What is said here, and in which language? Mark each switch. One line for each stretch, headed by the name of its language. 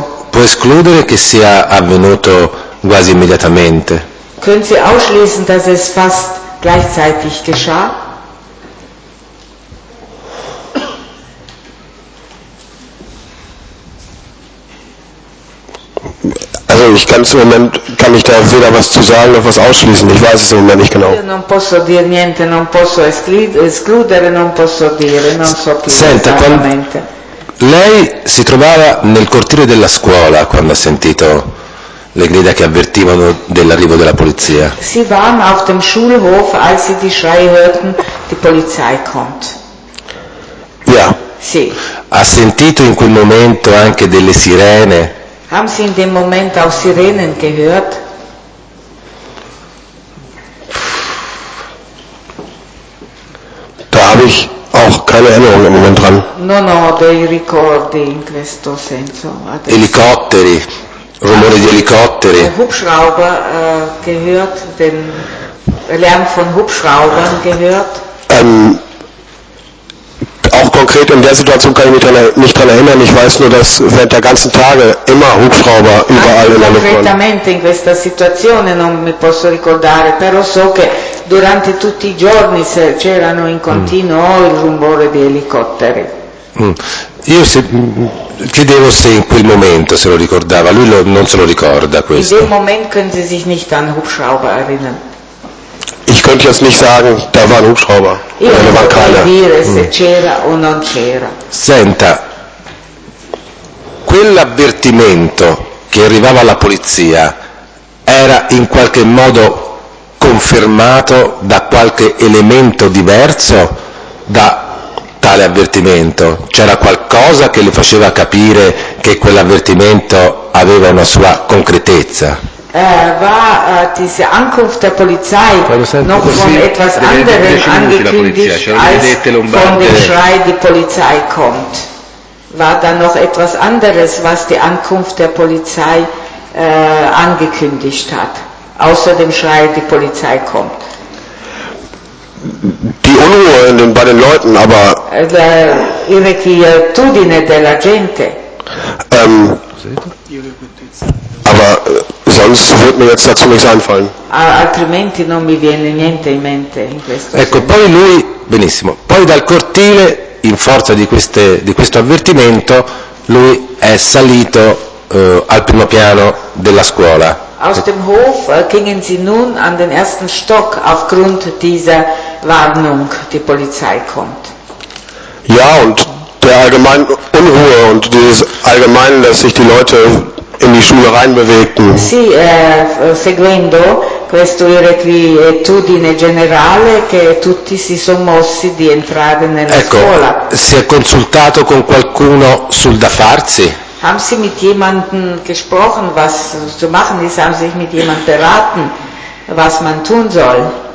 Italian: Può escludere che sia avvenuto quasi immediatamente?
German: Können Sie ausschließen, dass es fast gleichzeitig geschah? Also ich kann es im Moment, kann ich da weder was zu sagen noch was ausschließen, ich weiß es im Moment nicht genau.
Italian: Non posso dire niente, non posso escludere, non posso dire, non so più. Senta, lei si trovava nel cortile della scuola quando ha sentito le grida che avvertivano dell'arrivo della polizia?
German: Sie waren auf dem Schulhof, als sie die Schreie hörten, die Polizei kommt. Ja.
Italian: Sì. Ha sentito in quel momento anche delle sirene?
German: Haben Sie in dem Moment auch Sirenen gehört? Da habe ich auch keine Erinnerung im Moment dran.
Italian: Non ho dei ricordi in questo senso. Adesso. Elicotteri, rumore di elicotteri.
German: Hubschrauber gehört, den Lärm von Hubschraubern gehört. Auch konkret in der Situation kann ich mich nicht daran erinnern. Ich weiß nur, dass während der ganzen Tage immer Hubschrauber überall in der Luft waren.
Italian: Konkretamente in questa situazione non mi posso ricordare, però so che durante tutti i giorni c'erano in continuo il rumore di elicotteri. Io chiedevo se in quel momento se lo ricordava. Lui non se lo ricorda questo. In quel momento
German: können Sie sich nicht an Hubschrauber erinnern. Ich könnte jetzt nicht sagen, da war ein Hubschrauber. Da war keiner.
Italian: Dire, se c'era o non c'era. Senta, quell'avvertimento che arrivava alla polizia era in qualche modo confermato da qualche elemento diverso da tale avvertimento? C'era qualcosa che le faceva capire che quell'avvertimento aveva una sua concretezza?
German: War diese Ankunft der Polizei noch von etwas anderem angekündigt als von dem Schrei, die Polizei kommt? War da noch etwas anderes, was die Ankunft der Polizei angekündigt hat, außer dem Schrei, die Polizei kommt? Die Unruhe bei den Leuten, aber...
Italian: La inquietudine della gente.
German: Aber sonst wird mir jetzt dazu nichts einfallen.
Italian: Altrimenti non mi viene niente in mente in questo. Ecco, senso. Poi lui, benissimo, poi dal cortile, in forza di questo avvertimento, lui è salito al primo piano della scuola.
German: Aus dem Hof gingen sie nun an den ersten Stock aufgrund dieser Warnung, die Polizei kommt. Ja, und der allgemeinen Unruhe und dieses Allgemeine, dass sich die Leute in die Schule reinbewegten.
Italian: Sì, seguendo questo irrequietudine generale che tutti si sono mossi di entrare nella scuola. Ecco, si è consultato con qualcuno sul da farsi?
German: Haben Sie mit jemandem gesprochen, was zu machen ist? Haben Sie sich mit jemandem beraten, was man tun soll?